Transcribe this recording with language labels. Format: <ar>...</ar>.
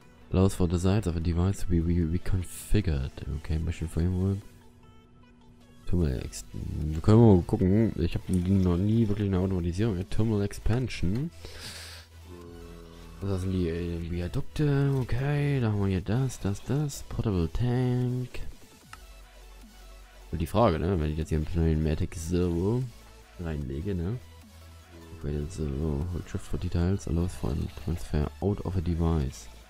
<en>Allows for the sides of a device to be reconfigured.</en> <de>Okay, Machine Framework. Wir können mal gucken. Ich habe noch nie wirklich eine Automatisierung. Terminal Expansion. Das sind die Viadukte. Okay, da haben wir hier das.</de> <en>Portable Tank.</en> <de>Und die Frage, ne? Wenn ich jetzt hier einen Pneumatic Servo reinlege, ne?</de> <en>Okay, so. Hold Shift for Details. Allows for a transfer out of a device.</en>